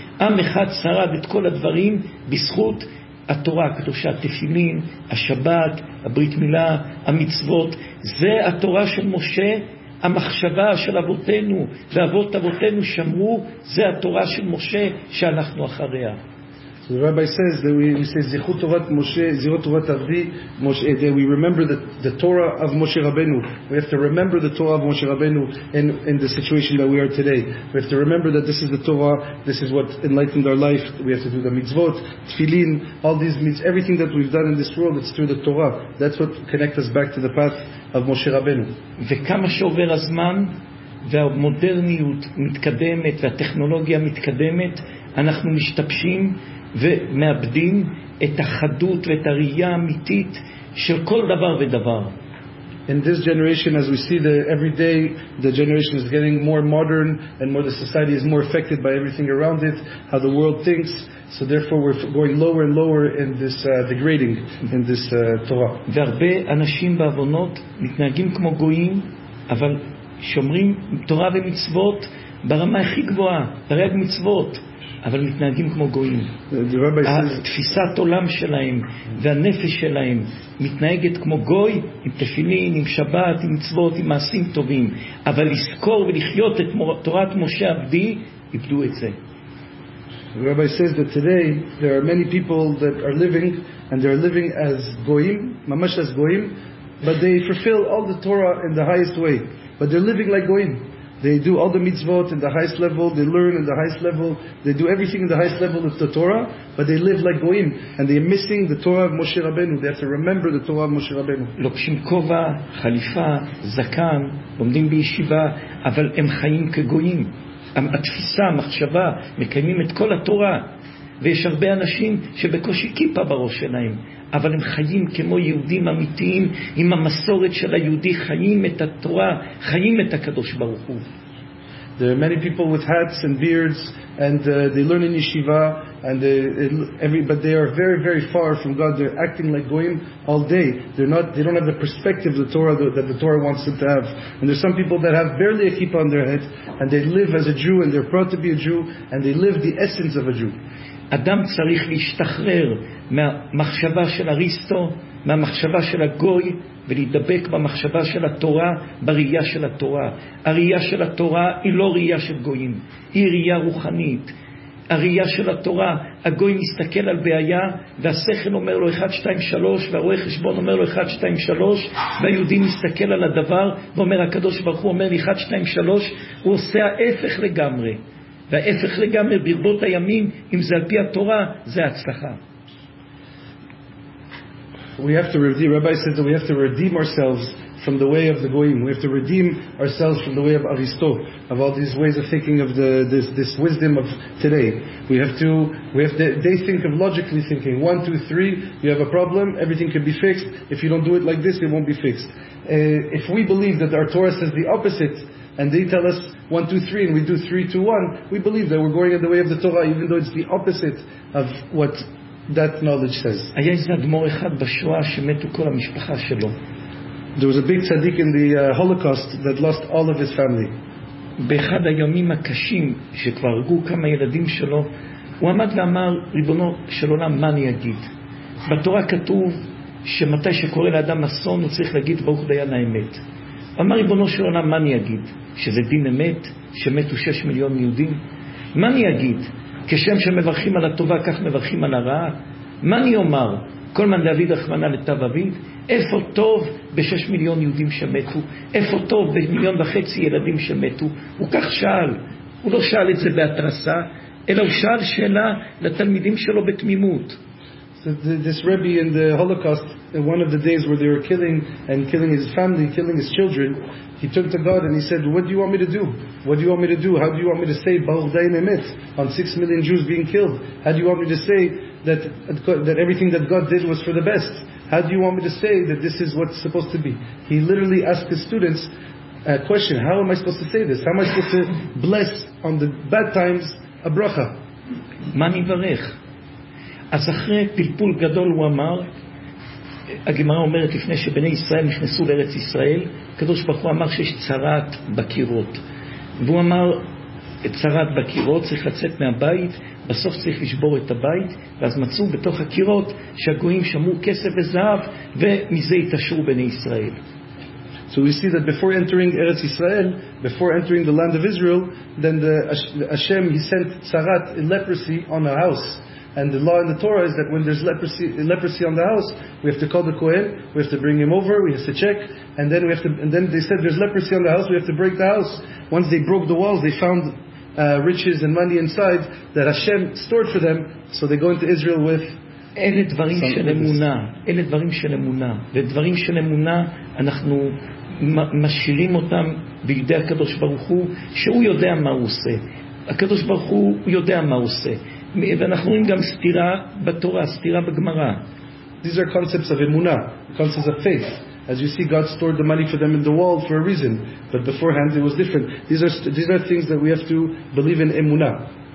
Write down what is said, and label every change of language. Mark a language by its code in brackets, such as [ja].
[he] עם אחד שרד את כל הדברים בזכות התורה הקדושה, תפילין, השבת, הברית מילה, המצוות. זה התורה של משה, המחשבה של אבותינו ואבות אבותינו שמרו, זה התורה של משה שאנחנו אחריה. [en] So the rabbi says that we say Zichut Torat Moshe, Zichut Torat Avdi Moshe, that we remember the Torah of Moshe Rabbeinu. We have to remember the Torah of Moshe Rabbeinu in the situation that we are today. We have to remember that this is the Torah, this is what enlightened our life. We have to do the mitzvot, tefillin, all these mitzvot, everything that we've done in this world, it's through the Torah. That's what connects us back to the path of Moshe Rabbeinu. [he] וכמה שעובר הזמן והמודרניות מתקדמת והטכנולוגיה מתקדמת, אנחנו משתפשים ומאבדים את החדות ואת הראייה האמיתית של כל דבר ודבר. [en] in this generation, as we see the every day, the generation is getting more modern and more, the society is more affected by everything around it, how the world thinks. So therefore we're going lower and lower in this degrading in this Torah. [he] והרבה אנשים בעוונות מתנהגים כמו גויים אבל שומרים תורה ומצוות ברמה הכי גבוהה, תרי"ג מצוות, אבל מתנהגים כמו גויים. תפיסת עולם שלהם והנפש שלהם מתנהגת כמו גוי, עם תפילין, עם שבת, עם מצוות, עם מעשים טובים, אבל לזכור ולחיות את תורת משה עבדי, איבדו את זה. [en] The rabbi says that today there are many people that are living, and they are living as goyim, mamash as goyim, but they fulfill all the Torah in the highest way. But they're living like goyim. They do all the mitzvot in the highest level, they learn in the highest level, they do everything in the highest level of the Torah, but they live like goyim. And they are missing the Torah of Moshe Rabbeinu. They have to remember the Torah of Moshe Rabbeinu. [he] Lokshim kova, chalifa, zakan, lomdim b'yeshiva, aval hem chayim kegoyim. התפיסה, המחשבה, מקיימים את כל התורה, ויש הרבה אנשים שבקושי כיפה בראש שלהם, אבל הם חיים כמו יהודים אמיתיים, עם המסורת של היהודי, חיים את התורה, חיים את הקדוש ברוך הוא. [en] There are many people with hats and beards, and they learn in yeshiva, and but they are very, very far from God. They're acting like goyim all day. They don't have the perspective of the Torah that the Torah wants them to have. And there's some people that have barely a kippah on their head, and they live as a Jew, and they're proud to be a Jew, and they live the essence of a Jew. [he] Adam צריך להשתחרר מהמחשבה של אריסטו, מהמחשבה של הגוי, ולהידבק במחשבה של התורה, בראייה של התורה. הראייה של התורה היא לא ראייה של גויים, היא ראייה רוחנית. הראייה של התורה, הגוי מסתכל על בעיה והשכל אומר לו 1, 2, 3, והרואה חשבון אומר לו 1, 2, 3, והיהודי מסתכל על הדבר ואומר הקדוש ברוך הוא אומר לי 1, 2, 3. הוא עושה ההפך לגמרי, וההפך לגמרי ברבות הימים, אם זה על פי התורה, זה הצלחה. [en] We have to redeem. Rabbi says that we have to redeem ourselves from the way of the goyim. We have to redeem ourselves from the way of Aristo, of all these ways of thinking of this wisdom of today. They think of logically thinking. 1, 2, 3. You have a problem. Everything can be fixed. If you don't do it like this, it won't be fixed. If we believe that our Torah says the opposite, and they tell us 1, 2, 3, and we do 3, 2, 1, we believe that we're going in the way of the Torah, even though it's the opposite of what that knowledge says. [he] היה איזה אדמור אחד בשואה שמתו כל המשפחה שלו. [en] There was a big tzaddik in the Holocaust that lost all of his family. [he] באחד הימים הקשים שכבר הרגו כמה ילדים שלו, הוא עמד ואמר, ריבונו של עולם, מה אני אגיד? בתורה כתוב שמתי שקורה לאדם אסון הוא צריך להגיד ברוך דיין האמת. הוא אמר, ריבונו של עולם, מה אני אגיד? שזה דין אמת? שמתו 6 מיליון יהודים? מה אני אגיד? כשם שמברכים על הטובה כך מברכים על הרעה? מה אני אומר? [arc] כל מן דוד רחמנא לטב אביד? [he] איפה טוב ב6 מיליון יהודים שמתו? איפה טוב ב1.5 מיליון ילדים שמתו? הוא כך שאל. הוא לא שאל את זה בהתרסה, אלא הוא שאל שאלה לתלמידים שלו בתמימות. [en] So this Rebbe in the Holocaust, in one of the days where they were killing and killing his family, killing his children, he turned to God and he said, what do you want me to do? What do you want me to do? How do you want me to say Baruch Dayan Emet on 6 million Jews being killed? How do you want me to say that everything that God did was for the best? How do you want me to say that this is what's supposed to be? He literally asked his students a question. How am I supposed to say this? How am I supposed to bless on the bad times a bracha? [he] מה נברך? אז אחרי פלפול גדול הוא אמר, הגמרא אומרת, לפני שבני ישראל נכנסו לארץ ישראל, הקדוש ברוך הוא אמר שיש צרת בקירות, והוא אמר צרת בקירות, צריך לצאת מהבית, בסוף צריך לשבור את הבית, ואז מצאו בתוך הקירות שהגויים שמעו כסף וזהב, ומזה התעשרו בני ישראל. [en] So we see that before entering Eretz Israel, before entering the land of Israel, then Hashem, he sent tzarat, leprosy, on a house. And the law in the Torah is that when there's leprosy on the house, we have to call the Kohen, we have to bring him over, we have to check, and then they said there's leprosy on the house, we have to break the house. Once they broke the walls, they found riches and money inside that Hashem stored for them, so they go into Israel with [he] אלה דברים של אמונה, אלה דברים של אמונה, ודברים של אמונה אנחנו משאירים אותם בידי הקדוש ברוך הוא, שהוא יודע מה הוא עושה. הקדוש ברוך הוא יודע מה הוא עושה. ואנחנו רואים גם סתירה בתורה, סתירה בגמרא. [en] These are concepts of emunah, concepts of faith. As you see, God stored the money for them in the wall for a reason. But beforehand, it was different. These are things that we have to believe in emunah.